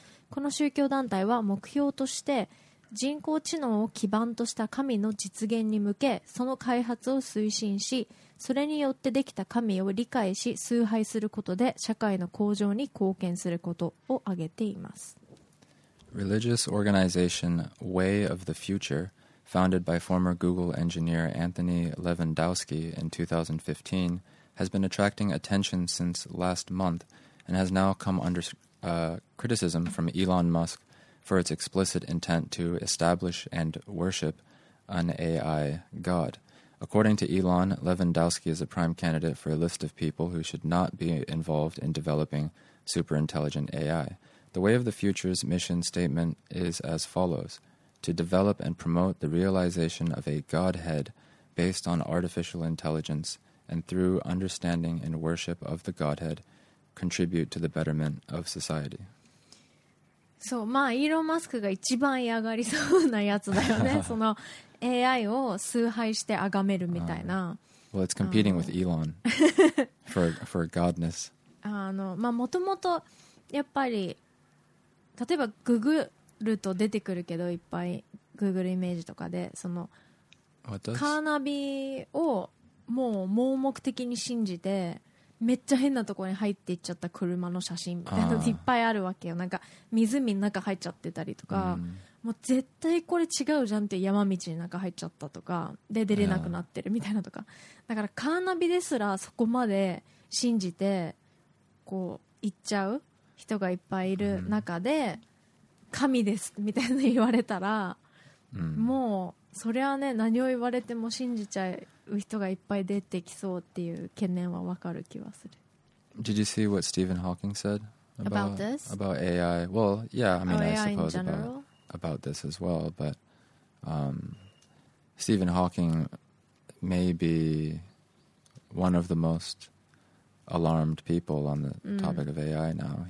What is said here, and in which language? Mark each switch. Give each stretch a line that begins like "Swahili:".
Japanese: この宗教団体は目標として人工知能を基盤とした神の実現に向けその開発を推進し、それによってできた神を理解し崇拝することで社会の向上に貢献することを挙げています。
English: Religious organization Way of the Future, founded by former Google engineer Anthony Levandowski in 2015, has been attracting attention since last month and has now come under... criticism from Elon Musk for its explicit intent to establish and worship an AI god. According to Elon, Levandowski is a prime candidate for a list of people who should not be involved in developing superintelligent AI. The Way of the Future's mission statement is as follows: to develop and promote the realization of a godhead based on artificial intelligence and through understanding and worship of the godhead,contribute to the betterment of society.
Japanese: そう、まあイーロン・マスクが一番嫌がりそうなやつだよね。その AI を崇拝して崇めるみたいな。
English: Well, it's competing with Elon for godness.
Japanese: まあもともとやっぱり例えば Google と出てくるけど、いっぱい Google イメージとかでそのカーナビをもう盲目的に信じて。めっちゃ変なところに入っていっちゃった車の写真みたいなのいっぱいあるわけよ。なんか湖の中入っちゃってたりとか、もう絶対これ違うじゃんって山道に中入っちゃったとかで出れなくなってるみたいなとか、だからカーナビですらそこまで信じてこう行っちゃう人がいっぱいいる中で神ですみたいな言われたら、もうそれはね、何を言われても信じちゃう人がいっぱい出てきそうっていう懸念はわかる気はする。
English: Did you see what Stephen Hawking said about this? About AI? Well, yeah, I mean, I suppose about this as well. But Stephen Hawking may be one of the most alarmed people on the topic of AI now.